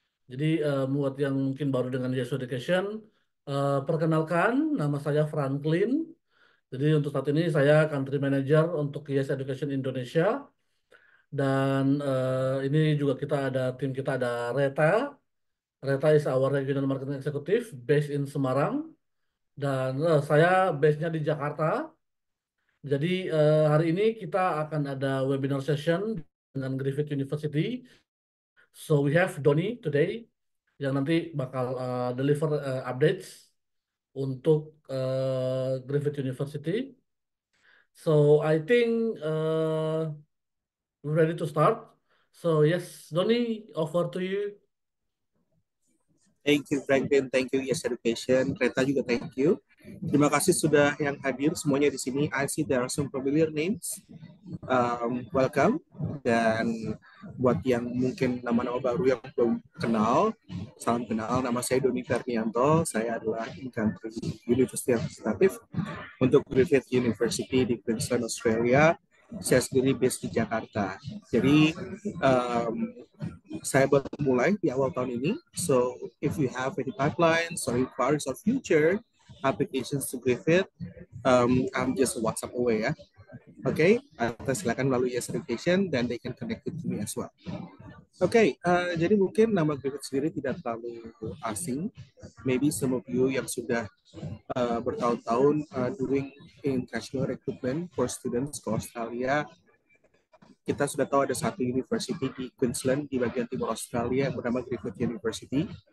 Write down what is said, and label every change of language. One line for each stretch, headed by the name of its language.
Indonesian: Jadi buat yang mungkin baru dengan Yes Education, perkenalkan nama saya Franklin. Jadi untuk saat ini saya Country Manager untuk Yes Education Indonesia. Dan ini juga kita ada tim kita ada Reta.
English: Reta is our Regional Marketing Executive based in Semarang.
Indonesian: Dan saya base-nya di Jakarta. Jadi hari ini kita akan ada webinar session dengan Griffith University.
English: So we have Doni today
Indonesian: yang nanti bakal
English: deliver updates untuk Griffith University. So I think we're ready to start. So yes, Doni, over to you. Thank you, Franklin. Thank you, Yes Education.
Indonesian: Reta juga
English: thank you.
Indonesian: Terima kasih sudah yang hadir semuanya di sini.
English: I see there are some familiar names. Welcome.
Indonesian: Dan buat yang mungkin nama-nama baru yang belum kenal, salam kenal. Nama saya Doni Fernianto. Saya adalah
English: in-country university representative
Indonesian: untuk Griffith University di Queensland, Australia. Saya sendiri based di Jakarta. Jadi, saya baru mulai di awal tahun ini.
English: So, if you have any pipeline, so inquiries or future applications to Griffith, I'm just a WhatsApp away ya.
Indonesian: Oke, atau silakan melalui
English: Yes Education, then they can connect with me as well.
Indonesian: Oke, jadi mungkin nama Griffith sendiri tidak terlalu asing.
English: Maybe some of you
Indonesian: yang sudah bertahun-tahun
English: doing international recruitment for students
Indonesian: ke Australia, kita sudah tahu ada satu university di Queensland di bagian timur Australia yang bernama Griffith University.